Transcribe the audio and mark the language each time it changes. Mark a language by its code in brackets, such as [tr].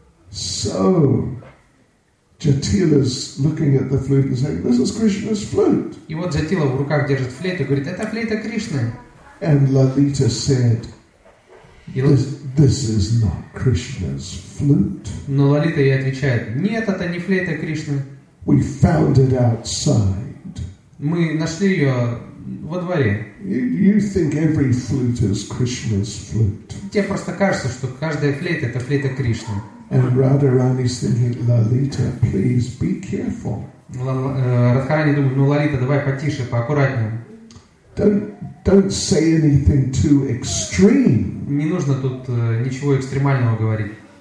[en] So Jatila's looking at the flute and saying, "This is Krishna's flute." [ru] И вот Джатила в руках держит флейту и говорит, "Это флейта Кришны." [en] And Lalita said, this is not Krishna's flute. [ru] Но Лалита ей отвечает, нет, это не флейта Кришны. [en] We found it outside. [ru] Мы нашли ее во дворе. [en] You think every flute is Krishna's flute. [ru] Тебе просто кажется, что каждая флейта это флейта Кришны. [en] And Radharani is thinking, Lalita, please be careful. [ru] Радхарани думает, ну Лалита, давай потише, поаккуратнее. [en] Don't say anything too extreme. [ru] Не нужно тут ничего экстремального говорить.